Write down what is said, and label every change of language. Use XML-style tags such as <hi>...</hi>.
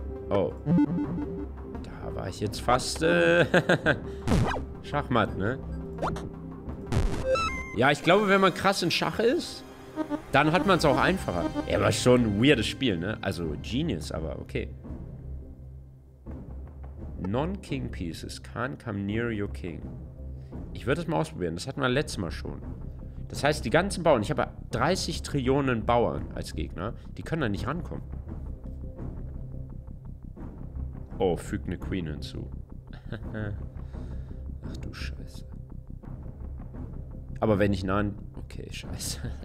<de>Oh. Da war ich jetzt fast, Schachmatt, ne? Ja, ich glaube, wenn man krass in Schach ist... Dann hat man es auch einfacher. Ja, war schon ein weirdes Spiel, ne? Also Genius, aber okay.</de> <en>Non-King Pieces can't come near your king.</en> <de>Ich würde das mal ausprobieren. Das hatten wir letztes Mal schon. Das heißt, die ganzen Bauern, ich habe 30 Trillionen Bauern als Gegner, die können da nicht rankommen. Oh, fügt eine Queen hinzu. Ach du Scheiße. Aber wenn ich nahe... Okay, Scheiße.</de>